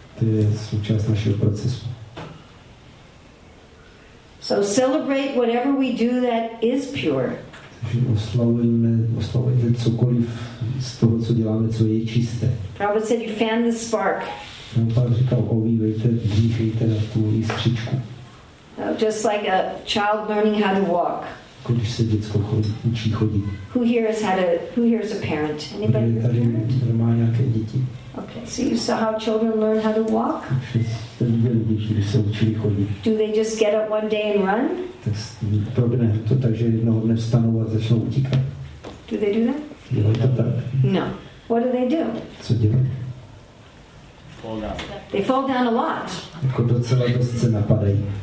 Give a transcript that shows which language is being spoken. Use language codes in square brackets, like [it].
[cs] To je součást našeho procesu. [en] So celebrate whatever we do that is pure. [cs] Takže oslavujeme cokoliv z toho, co děláme, co je čisté. [en] Prabhupada said you fan the spark. [cs] Prabhupada říkal, ovívejte, dýchejte na tu jiskřičku. [en] Just like a child learning how to walk. [cs] Když se děcko učí chodit. [en] Who here has had a who here is a parent? Anybody a parent? [cs] Kdo má nějaké děti? [en] Okay, so you saw how children learn how to walk? [cs] Když se učili chodit. [en] Do they just get up one day and run? [cs] Probíhá to tak, že jednoho dne vstanou a začnou utíkat. [en] Do they do that? [cs] Dělají to tak. [en] No. What do they do? [cs] Co dělají? [en] Fall down. They fall down a lot. [cs] Jako docela dost se napadají.